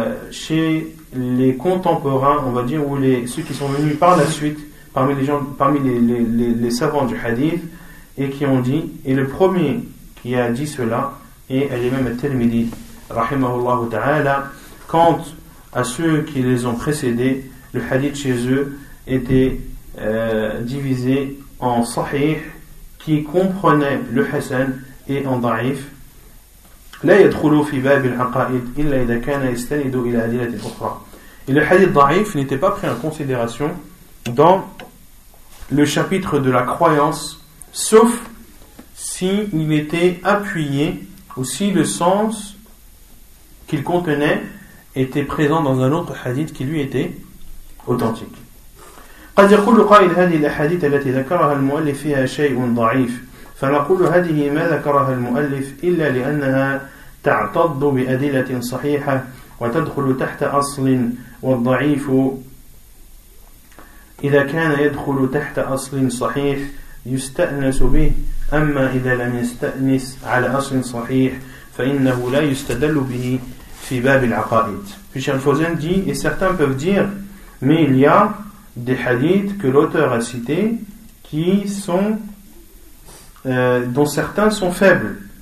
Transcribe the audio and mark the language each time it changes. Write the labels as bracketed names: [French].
[French] chez les contemporains, on va dire, ou les, ceux qui sont venus par la suite, parmi les gens, parmi les savants du hadith, et qui ont dit, et le premier qui a dit cela, et Al-Imam al-Tirmidhi, rahimahullah ta'ala, quant à ceux qui les ont précédés, le hadith chez eux était divisé en sahih, qui comprenait le hasan, et en da'if. [Arabic] لا يدخل في باب العقائد إلا إذا كان يستند إلى أدلة أخرى. [French] Et le hadith da'if n'était pas pris en considération dans le chapitre de la croyance, sauf s'il était appuyé ou si le sens qu'il contenait était présent dans un autre hadith qui lui était authentique. [Arabic] قد يقول قائل هذه الأحاديث التي ذكرها المؤلف فيها شيء ضعيف فنقول هذه ما ذكرها المؤلف إلا لأنها تعتض بأدلة صحيحة وتدخل تحت أصل والضعيف إذا كان يدخل تحت أصل صحيح يستأنس به أما إذا لم يستأنس على أصل صحيح فإنه لا يستدل به في باب العقائد. [French] فشيخ الفوزان دي et certains peuvent dire mais il y a des hadiths que l'auteur a cités qui sont dont certains sont faibles.